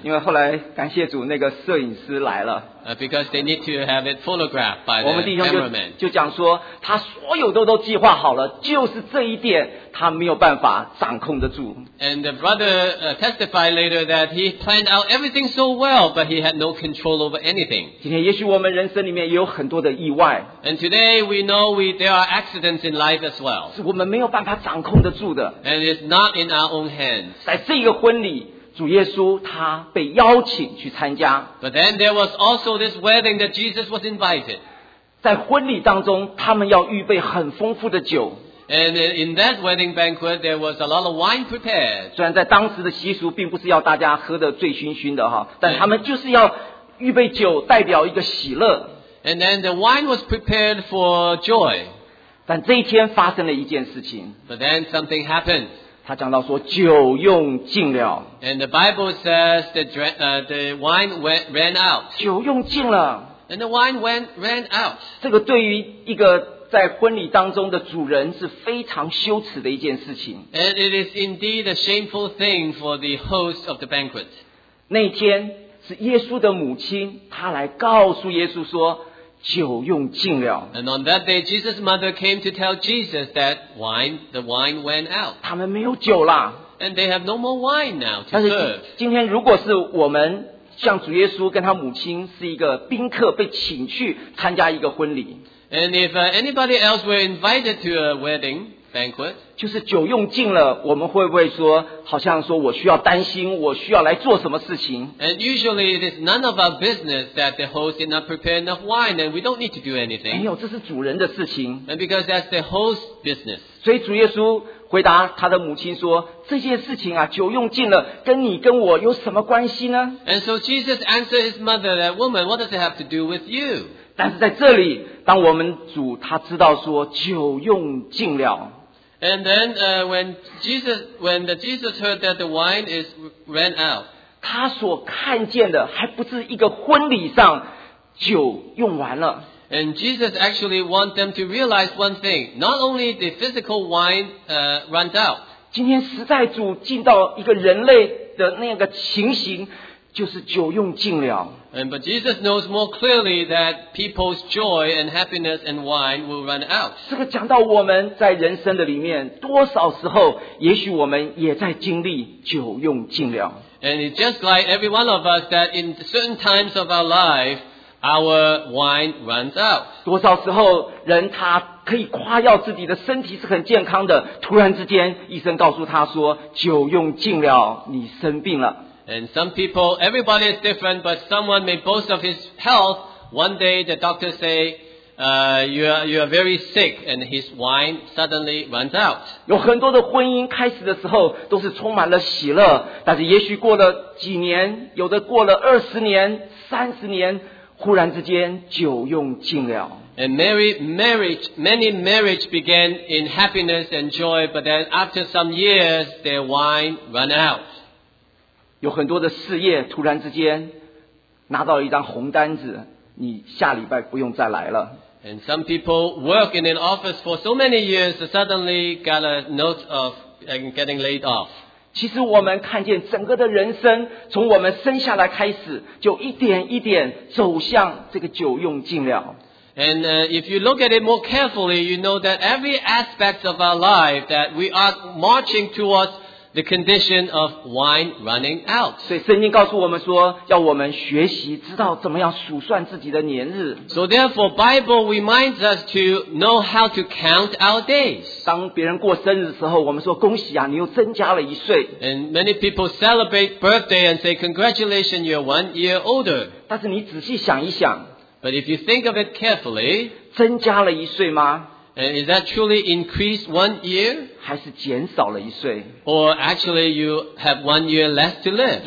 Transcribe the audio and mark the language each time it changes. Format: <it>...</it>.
<zh>因为后来感谢主，那个摄影师来了。</zh> <en>Because they need to have it photographed by the cameraman.</en> <zh>我们弟兄就讲说，他所有都计划好了，就是这一点他没有办法掌控得住。</zh> <en>And the brother testified later that he planned out everything so well, but he had no control over anything.</en> <zh>今天也许我们人生里面也有很多的意外。</zh> <en>And today we know there are accidents in life as well.</en> <zh>是我们没有办法掌控得住的。</zh> <en>And it's not in our own hands.</en> <zh>在这个婚礼，主耶稣他被邀请去参加。</zh> <en>But then there was also this wedding that Jesus was invited.</en> <zh>在婚礼当中，他们要预备很丰富的酒。</zh> <en>And in that wedding banquet, there was a lot of wine prepared.</en> <zh>虽然在当时的习俗并不是要大家喝得醉醺醺的，但他们就是要预备酒，代表一个喜乐。</zh> <en>And then the wine was prepared for joy.</en> <zh>但这一天发生了一件事情。</zh> <en>But then something happened.</en> <zh>他讲到说酒用尽了。</zh> <en>And the Bible says that the wine ran out.</en> <zh>酒用尽了。</zh> <en>And the wine ran out.</en> <zh>这个对于一个在婚礼当中的主人是非常羞耻的一件事情。</zh> <en>And it is indeed a shameful thing for the host of the banquet.</en> <zh>那天是耶稣的母亲，她来告诉耶稣说酒用尽了。</zh> <en>And on that day, Jesus' mother came to tell Jesus that the wine went out.</en> <zh>他们没有酒啦。</zh> <en>And they have no more wine now to serve.</en> <zh>今天如果是我们像主耶稣跟他母亲是一个宾客被请去参加一个婚礼。</zh> <en>And if anybody else were invited to a wedding banquet,</en> <zh>就是酒用尽了，我们会不会说，好像说我需要担心，我需要来做什么事情？</zh> <en>And usually it is none of our business that the host did not prepare enough wine, and we don't need to do anything.</en> <zh>没有，这是主人的事情。</zh> <en>And because that's the host's business.</en> <zh>所以主耶稣回答他的母亲说，这件事情啊，酒用尽了，跟你跟我有什么关系呢？</zh> <en>And so Jesus answered his mother, that woman, what does it have to do with you?</en> <zh>但是在这里，当我们主他知道说酒用尽了</zh> <en>，and then when Jesus heard that the wine is ran out，</en> <zh>他所看见的还不是一个婚礼上酒用完了</zh> <en>，and Jesus actually want them to realize one thing， not only the physical wine run out，</en> <zh>今天实在主进到一个人类的那个情形。就是酒用尽了。</zh> <en>And but Jesus knows more clearly that people's joy and happiness and wine will run out.</en> <zh>这个讲到我们在人生的里面，多少时候，也许我们也在经历酒用尽了。</zh> <en>And it's just like every one of us that in certain times of our life, our wine runs out.</en> <zh>多少时候人他可以夸耀自己的身体是很健康的，突然之间医生告诉他说酒用尽了，你生病了。</zh> <en>And some people, everybody is different, but someone may boast of his health. One day the doctor say, you are very sick, and his wine suddenly runs out.</en> <zh>有很多的婚姻开始的时候都是充满了喜乐，但是也许过了几年，有的过了20年、30年，忽然之间酒用尽了。</zh> <en>And many marriage began in happiness and joy, but then after some years, their wine run out.</en> <zh>有很多的事业突然之间拿到了一张红单子，你下礼拜不用再来了。</zh> <en>And some people work in an office for so many years, suddenly got a note of getting laid off.</en> <zh>其实我们看见整个的人生，从我们生下来开始，就一点一点走向这个酒用尽了。</zh> <en>And if you look at it more carefully, you know that every aspect of our life that we are marching towards. The condition of wine running out.</en> <zh>所以圣经告诉我们说，要我们学习知道怎么样数算自己的年日。</zh> <en>So therefore, Bible reminds us to know how to count our days.</en> <zh>当别人过生日的时候，我们说恭喜啊，你又增加了一岁。</zh> <en>And many people celebrate birthday and say congratulations, you're 1 year older.</en> <zh>但是你仔细想一想</zh> <en>，But if you think of it carefully,</en> <zh>增加了一岁吗？</zh> <en>And is that truly increased 1 year?</en> <zh>还是减少了一岁?</zh> <en>Or actually you have 1 year less to live?</en>